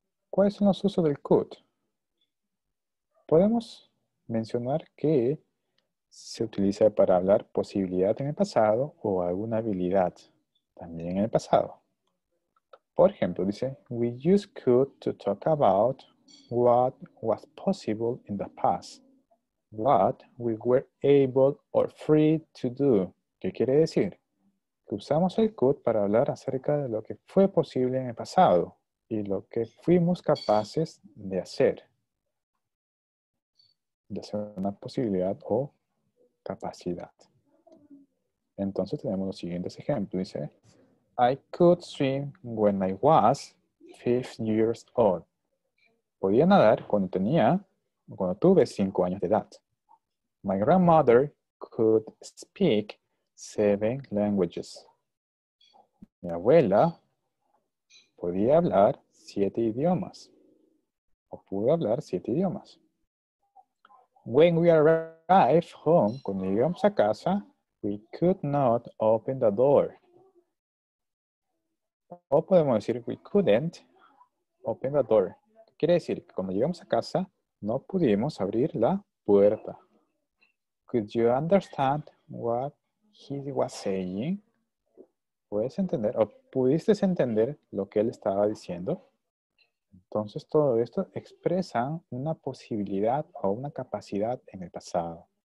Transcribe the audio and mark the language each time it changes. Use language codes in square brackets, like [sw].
[es] ¿Cuáles son los usos del could? Podemos mencionar que se utiliza para hablar posibilidad en el pasado o alguna habilidad también en el pasado. Por ejemplo, dice, [en] we use could to talk about what was possible in the past, what we were able or free to do. [es] ¿Qué quiere decir? Que usamos el could para hablar acerca de lo que fue posible en el pasado y lo que fuimos capaces de hacer. Ya sea una posibilidad o capacidad. Entonces tenemos los siguientes ejemplos. Dice, [en] I could swim when I was 5 years old. [es] Podía nadar cuando tenía, cuando tuve 5 años de edad. [en] My grandmother could speak 7 languages. [es] Mi abuela podía hablar 7 idiomas. O pudo hablar 7 idiomas. [en] When we arrived home, [es] cuando llegamos a casa, [en] we could not open the door. [es] O podemos decir, [en] we couldn't open the door. [es] Quiere decir que cuando llegamos a casa, no pudimos abrir la puerta. [en] Could you understand what he was saying? [es] ¿Puedes entender o pudiste entender lo que él estaba diciendo? Entonces, todo esto expresa una posibilidad o una capacidad en el pasado.